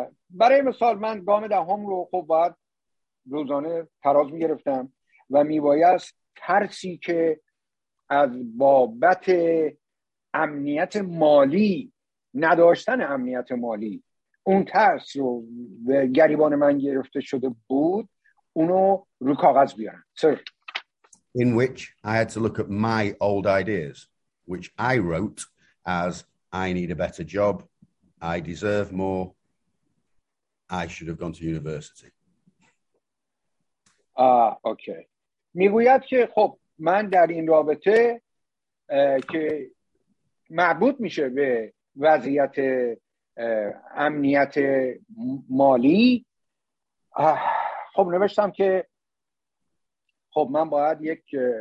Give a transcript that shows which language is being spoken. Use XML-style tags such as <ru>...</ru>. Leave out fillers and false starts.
<fa>برای مثال من گام دهم رو خب باید روزانه تراز می گرفتم و می بایست ترسی که از بابت امنیت مالی، نداشتن امنیت مالی، اون ترس رو به گریبان من گرفته شده بود اونو رو کاغذ بیارم.</fa> <en>Sir. In which I had to look at my old ideas, which I wrote as I need a better job, I deserve more, I should have gone to university. Okay.</en> <fa>میگوید که خب من در این رابطه که مربوط میشه به وضعیت امنیت مالی، خب نوشتم که خب من باید یک</fa>